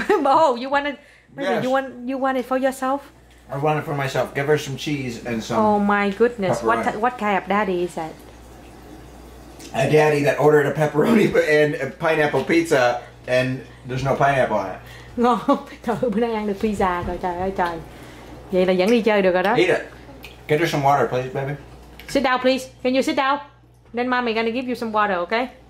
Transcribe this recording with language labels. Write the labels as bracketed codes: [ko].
[en] Oh, you want it? Baby, yes. You want it for yourself? I want it for myself. Give her some cheese and some. Oh my goodness! Pepperoni. What kind of daddy is that? A daddy that ordered a pepperoni and a pineapple pizza and there's no pineapple on it. [vi] Ngon. Thôi, bữa nay ăn được pizza rồi. Trời ơi trời. Vậy là vẫn đi chơi được rồi đó. [en] Eat it. Get her some water, please, baby. Sit down, please. Can you sit down? Then mommy gonna give you some water, okay?